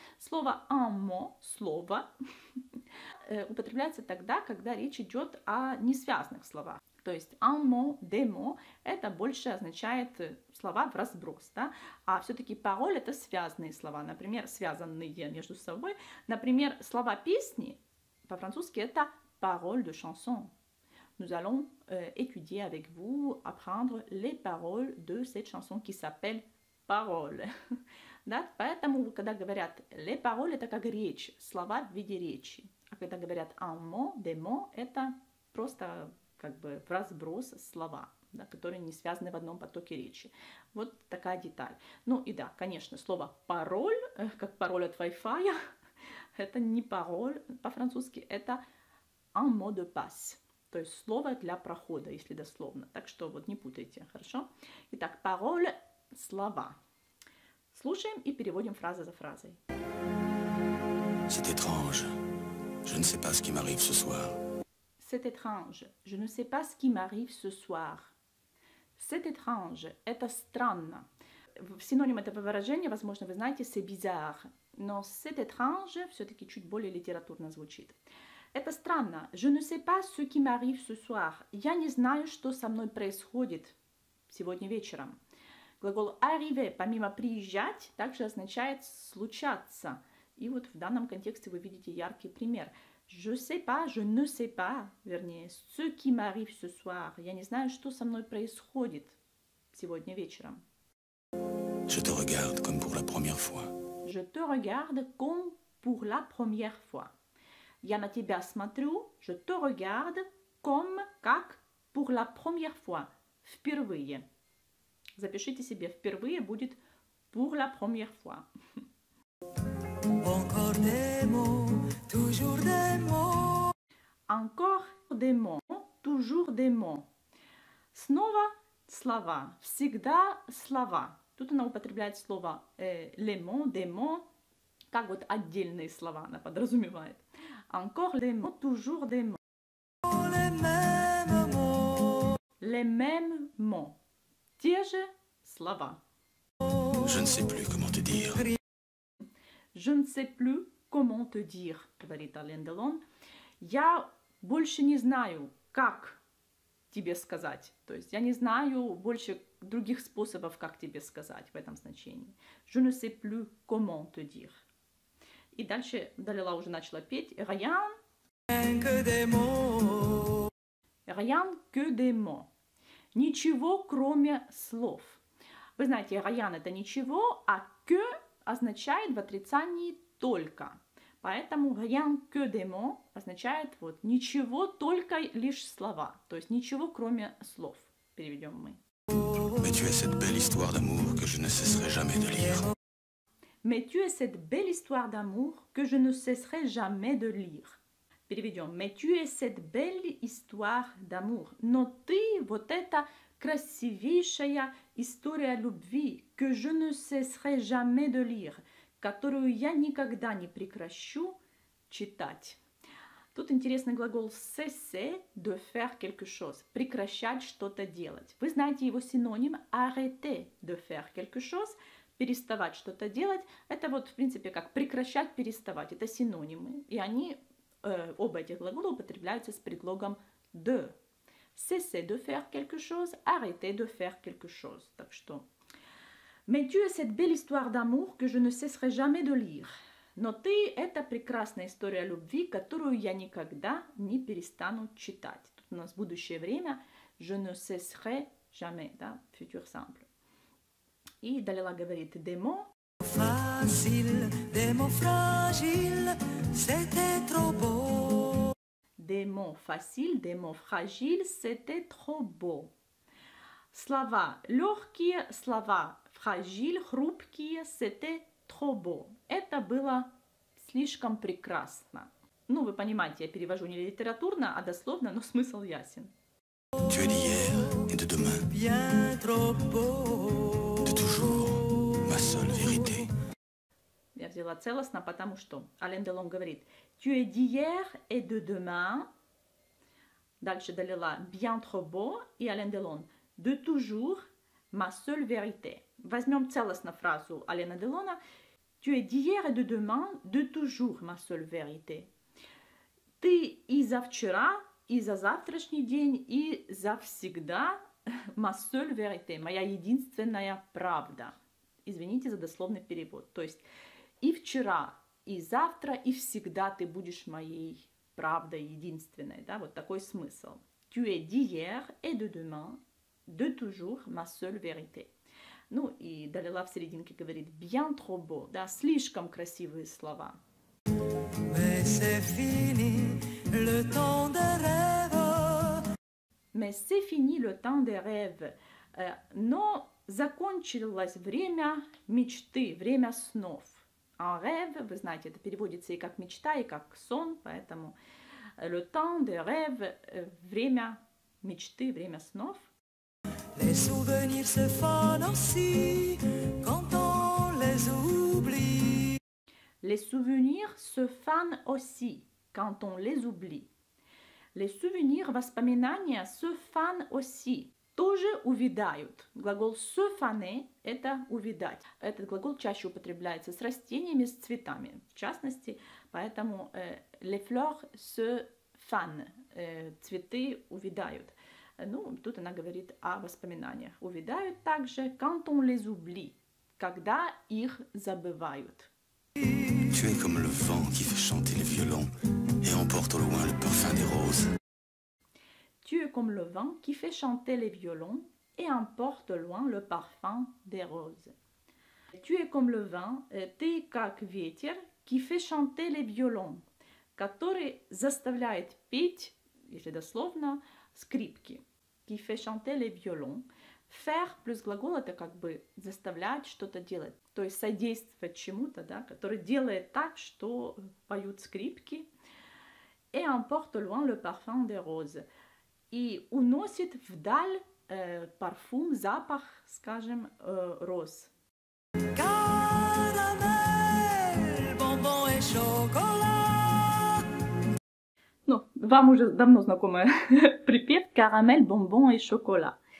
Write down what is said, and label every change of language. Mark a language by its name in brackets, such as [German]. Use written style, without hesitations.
[Russian] Слово [French] un mot, [Russian] слово, употребляется тогда, когда речь идет о несвязных словах. То есть [French] un mot, des mots, [Russian] это больше означает слова в разброс, да? А все-таки parole это связанные слова, например, связанные между собой. Например, слова песни, по-французски это [French] «parole de chanson». Nous allons étudier avec vous, apprendre les paroles de cette chanson qui s'appelle «parole». [Russian] Да, поэтому, когда говорят [French] «les paroles», [Russian] это как речь, слова в виде речи. А когда говорят [French] «un mot», «des mots», [Russian] это просто как бы в разброс слова, да, которые не связаны в одном потоке речи. Вот такая деталь. Ну и да, конечно, слово «пароль», как пароль от Wi-Fi, это не пароль по-французски, это [French] un mot de passe, [Russian] то есть слово для прохода, если дословно. Так что вот не путайте, хорошо? Итак, пароль – слова. Слушаем и переводим фразу за фразой. [French] C'est étrange, je ne sais pas ce qui m'arrive ce soir. C'est étrange, je ne sais pas ce qui m'arrive ce soir. C'est étrange [Russian] – это странно. Синоним этого выражения, возможно, вы знаете, [French] c'est bizarre. [Russian] Но [French] «c'est étrange» [Russian] все-таки чуть более литературно звучит. Это странно. [French] «Je ne sais pas ce qui m'arrive ce soir». [Russian] «Я не знаю, что со мной происходит сегодня вечером». Глагол «arriver» помимо «приезжать» также означает «случаться». И вот в данном контексте вы видите яркий пример. [French] «Je sais pas», «je ne sais pas», [Russian] вернее, [French] «ce qui m'arrive ce soir». [Russian] «Я не знаю, что со мной происходит сегодня вечером». [French] «Je te regarde comme pour la première fois». Je te regarde comme pour la première fois. [Russian] Я на тебя смотрю, [French] je te regarde comme, [Russian] как, [French] pour la première fois, [Russian] впервые. Запишите себе, впервые будет [French] pour la première fois. Encore des mots, toujours des mots. Encore des mots, toujours des mots. [Russian] Снова слова, всегда слова. Тут она употребляет слово [French] «les mots», «des mots», [Russian] как вот отдельные слова она подразумевает. [French] «Encore les mots», «toujours des mots». «Les mêmes mots», «les mêmes mots», [Russian] те же слова. [French] «Je ne sais plus comment te dire». «Je ne sais plus comment te dire», [Russian] говорит Ален Делон. «Я больше не знаю, как тебе сказать». То есть я не знаю больше других способов, как тебе сказать в этом значении. [French] Je ne sais plus comment te dire. [Russian] И дальше Далила уже начала петь. [French] Rien que des mots. Rien que des mots. [Russian] Ничего, кроме слов. Вы знаете, rien это ничего, а que означает в отрицании только. Поэтому [French] rien que des mots [Russian] означает вот ничего, только лишь слова. То есть ничего, кроме слов. Переведем мы. [French] Mais tu es cette belle histoire d'amour que je ne cesserai jamais de lire. Mais tu es cette belle histoire d'amour que je ne cesserai jamais de lire. [Russian] Переведем. [French] Mais tu es cette belle histoire d'amour. [Russian] Но ты вот эта красивейшая история любви, [French] que je ne cesserai jamais de lire, [Russian] которую я никогда не прекращу читать. Тут интересный глагол [French] cesser, de faire quelque chose, [Russian] прекращать что-то делать. Вы знаете его синоним [French] arrêter de faire quelque chose, [Russian] переставать что-то делать. Это вот, в принципе, как прекращать, переставать. Это синонимы. И они, оба эти глагола употребляются с предлогом de. [French] Cesser de faire quelque chose, arrêter de faire quelque chose. [Russian] Так что... [French] Mais tu as cette belle histoire d'amour que je ne cesserai jamais de lire. [Russian] Но ты — это прекрасная история любви, которую я никогда не перестану читать. Тут у нас будущее время. [French] Je ne cesserai jamais, [Russian] да, [French] futur simple. [Russian] И Далила говорит [French] des mots. Facile, des mots fragiles, c'était trop beau. Des mots faciles, des mots fragiles, c'était trop beau. [Russian] Слова легкие, слова fragiles, хрупкие, [French] c'était trop beau. [Russian] Это было слишком прекрасно. Ну, вы понимаете, я перевожу не литературно, а дословно, но смысл ясен. [French] Tu es d'hier et de demain. Bien trop beau. De toujours, ma seule vérité. [Russian] Я взяла целостно, потому что Ален Делон говорит... [French] Tu es d'hier et de demain. [Russian] Дальше Далила. [French] Bien trop beau. [Russian] И Ален Делон. [French] De toujours, ma seule vérité. [Russian] Возьмем целостно фразу Алена Делона. [French] Tu es d'hier et de demain. De toujours, ma seule vérité. [Russian] Ты и за вчера, и за завтрашний день, и за всегда. [French] Ma seule vérité. [Russian] Моя единственная правда. Извините за дословный перевод. То есть, и вчера... И завтра, и всегда ты будешь моей правдой единственной. Да? Вот такой смысл. [French] Tu es d'hier et de demain, de toujours ma seule vérité. [Russian] Ну и Далила в серединке говорит [French] bien trop beau. [Russian] Да, слишком красивые слова. [French] Mais c'est fini le temps des rêves. Mais c'est fini le temps des rêves. [Russian] Но закончилось время мечты, время снов. [French] En rêve, [Russian] вы знаете, это переводится и как мечта, и как сон, поэтому [French] le temps de rêve, [Russian] время мечты, время снов. [French] Les souvenirs se font aussi quand on les oublie. Les souvenirs se font aussi quand on les oublie. Les souvenirs, [Russian] воспоминания, [French] se font aussi. [Russian] Тоже увядают. Глагол [French] «se faner» [Russian] — это увидать. Этот глагол чаще употребляется с растениями, с цветами. В частности, поэтому [French] «les fleurs se fanent» [Russian] — цветы увядают. Ну, тут она говорит о воспоминаниях. Увядают также [French] «quand on les oublie» [Russian] — когда их забывают. [French] Tu es comme le vent qui fait chanter le violon et emporte au loin le parfum des roses. Tu es comme le vent qui fait chanter les violons et emporte loin le parfum des roses. Tu es comme le vent, [Russian] ты как ветер, [French] qui fait chanter les violons, [Russian] который заставляет петь, если дословно, скрипки. [French] Qui fait chanter les violons. [Russian] Faire plus глагол, это как бы заставлять что-то делать, то есть содействовать чему-то, да, который делает так, что поют скрипки. [French] Et emporte loin le parfum des roses. [Russian] И уносит вдаль парфум, запах, скажем, роз. Карамель, бонбон и шоколад. Ну, вам уже давно знакомый припев. Карамель, бонбон и шоколад.